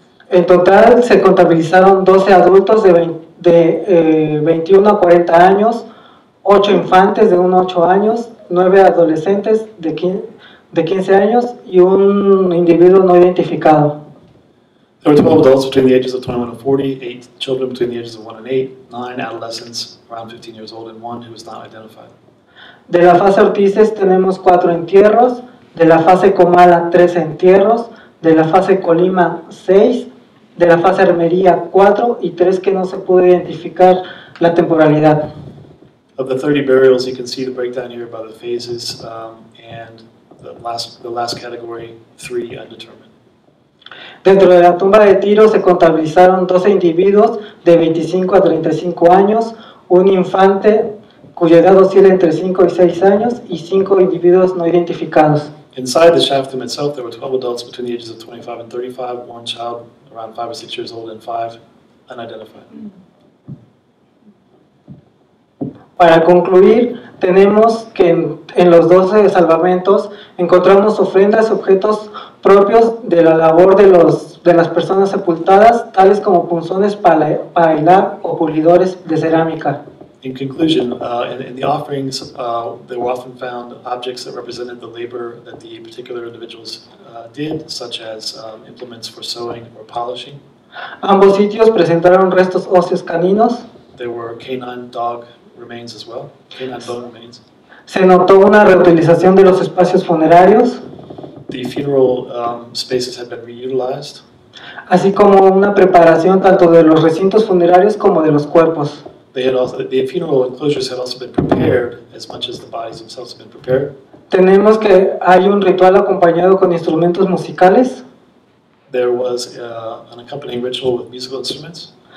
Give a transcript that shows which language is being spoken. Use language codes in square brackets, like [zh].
[es] En total se contabilizaron 12 adultos de 21 a 40 años, 8 infantes de 1 a 8 años, 9 adolescentes de 15 años y un individuo no identificado. [en] There were 12 adults between the ages of 21 and 40, 8 children between the ages of 1 and 8, 9 adolescents around 15 years old and 1 who was not identified. [es] De la fase Ortizes tenemos 4 entierros, de la fase Comala 3 entierros, de la fase Colima 6, de la fase Armería 4 y 3 que no se pudo identificar la temporalidad. [en] Of the 30 burials, you can see the breakdown here by the phases, and the last category, 3 undetermined. [es] Dentro de la tumba de Tiro se contabilizaron 12 individuos de 25 a 35 años, un infante cuyo edad oscila entre 5 y 6 años y 5 individuos no identificados. [en] Inside the shaft tomb itself, there were 12 adults between the ages of 25 and 35, one child around 5 or 6 years old, and 5 unidentified. [es] Para concluir, tenemos que en los 12 salvamentos encontramos ofrendas y objetos propios de la labor de las personas sepultadas, tales como punzones para hilar o pulidores de cerámica. [en] In conclusion, in the offerings, there were often found objects that represented the labor that the particular individuals did, such as implements for sewing or polishing. [es] Ambos sitios presentaron restos óseos caninos. [en] There were canine dog remains as well, canine bone remains. [es] Se notó una reutilización de los espacios funerarios. [en] The funeral spaces had been reutilized. [es] Así como una preparación tanto de los recintos funerarios como de los cuerpos. [en] The funeral enclosures had also been prepared as much as the bodies themselves had been prepared. [es] Tenemos que hay un ritual acompañado con instrumentos musicales. [en] There was an accompanying ritual with musical instruments.